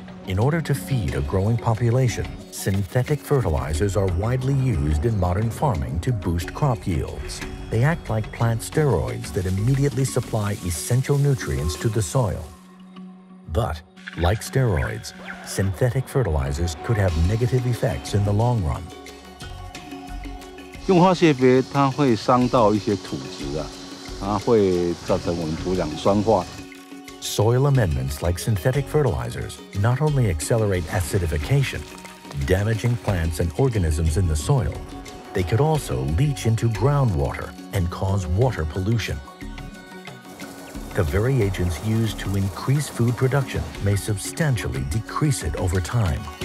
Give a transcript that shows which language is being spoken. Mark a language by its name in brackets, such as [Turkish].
[English] In order to feed a growing population, synthetic fertilizers are widely used in modern farming to boost crop yields. They act like plant steroids that immediately supply essential nutrients to the soil. But, like steroids, synthetic fertilizers could have negative effects in the long run. [Chinese] 用化学肥它会伤到一些土质啊，它会造成我们土壤酸化。 [English] Soil amendments like synthetic fertilizers not only accelerate acidification, damaging plants and organisms in the soil, they could also leach into groundwater and cause water pollution. The very agents used to increase food production may substantially decrease it over time.